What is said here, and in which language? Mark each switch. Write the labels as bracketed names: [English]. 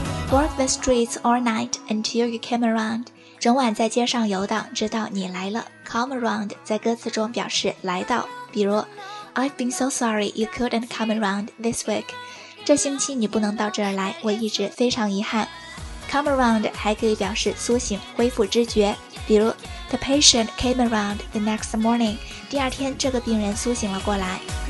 [English] Walk the streets all night until you came around. [Chinese] 整晚在街上游荡，直到你来了。 [English] Come around [Chinese] 在歌词中表示来到，比如 [English] I've been so sorry you couldn't come around this week. [Chinese] 这星期你不能到这儿来，我一直非常遗憾。 [English] Come around [Chinese] 还可以表示苏醒、恢复知觉，比如 [English] The patient came around the next morning. [Chinese] 第二天这个病人苏醒了过来。